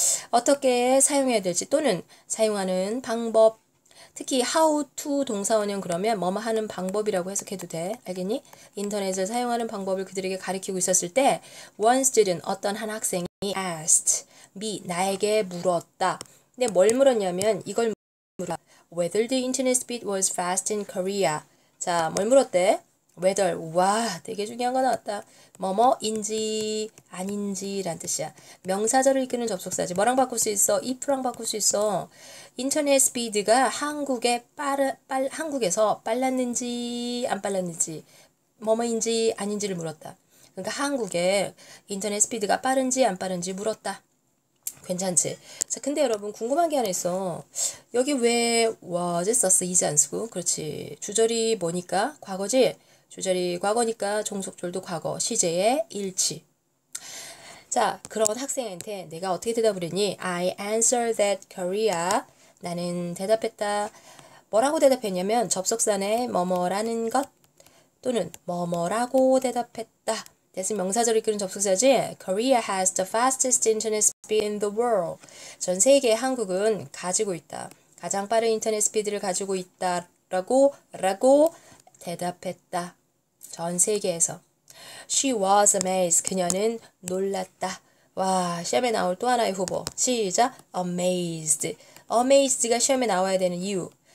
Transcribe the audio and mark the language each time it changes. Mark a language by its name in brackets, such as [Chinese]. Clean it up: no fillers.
[Korean] 어떻게 사용해야 될지 또는 사용하는 방법. 특히 how to 동사원형 그러면 뭐뭐 하는 방법이라고 해석해도 돼. 알겠니? 인터넷을 사용하는 방법을 그들에게 가르치고 있었을 때 [English] one student [Korean] 어떤 한 학생이 [English] asked me [Korean] 나에게 물었다. 근데 뭘 물었냐면 이걸 물어. [English] Whether the internet speed was fast in Korea. [Korean] 자, 뭘 물었대? Whether. 와, 되게 중요한 거 나왔다. 뭐뭐인지 아닌지란 뜻이야. 명사절을 이끄는 접속사지. 뭐랑 바꿀 수 있어? if랑 바꿀 수 있어. 인터넷 스피드가 한국에서 빨랐는지 안 빨랐는지 뭐뭐인지 아닌지를 물었다. 그러니까 한국에 인터넷 스피드가 빠른지 안 빠른지 물었다. 괜찮지? 자, 근데 여러분 궁금한 게 하나 있어. 여기 왜 was 썼어? is 안 쓰고? 그렇지. 주절이 뭐니까? 과거지? 주절이 과거니까 종속절도 과거, 시제의 일치. 자, 그런 학생한테 내가 어떻게 대답을 했니? [English] I answer that Korea. [Korean] 나는 대답했다. 뭐라고 대답했냐면 접속사네 뭐뭐라는 것 또는 뭐뭐라고 대답했다. 대신 명사절을 이끄는 접속사지. [English] Korea has the fastest internet speed in the world. [Korean] 전 세계 한국은 가지고 있다. 가장 빠른 인터넷 스피드를 가지고 있다라고 대답했다. 전 세계에서. [English] She was amazed. [Korean] 그녀는 놀랐다. 와, 시험에 나올 또 하나의 후보. 시작. Amazed. Amazed가 시험에 나와야 되는 이유.